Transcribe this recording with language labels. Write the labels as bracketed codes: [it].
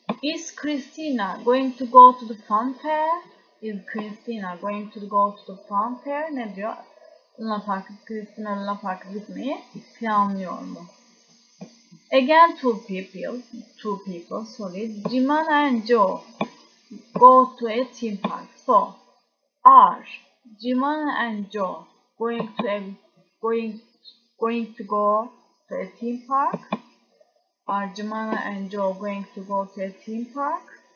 [en] Is Christina going to go to the fun fair? Is Christina going to go to the fun fair? [tr] Ne diyor? Luna Park, Christina Luna Park'a gitmeyi planlıyor mu? [en] Again two people, sorry. Jiman and Joe go to a theme park. So, are Jiman and Joe going to go to a theme park? Are Jemana and Joe going to go to a theme park?